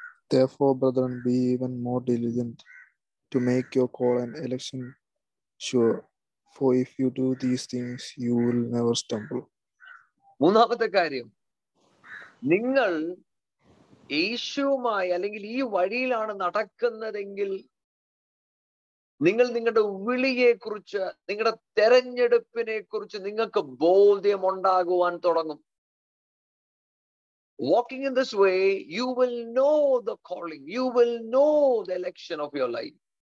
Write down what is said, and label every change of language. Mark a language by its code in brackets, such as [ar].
[en] Therefore, brethren, be even more diligent to make your call and election sure. For if you do these things, you will never stumble. [ml] മൂന്നാമത്തെ കാര്യം, നിങ്ങൾ യേശുവുമായി അല്ലെങ്കിൽ ഈ വഴിയിലാണ് നടക്കുന്നതെങ്കിൽ നിങ്ങൾ നിങ്ങളുടെ വിളിയെ കുറിച്ച്, നിങ്ങളുടെ തെരഞ്ഞെടുപ്പിനെ കുറിച്ച് നിങ്ങൾക്ക് ബോധ്യം ഉണ്ടാകുവാൻ തുടങ്ങും. [en] Walking in this way, you will know the calling, you will know the election of your life.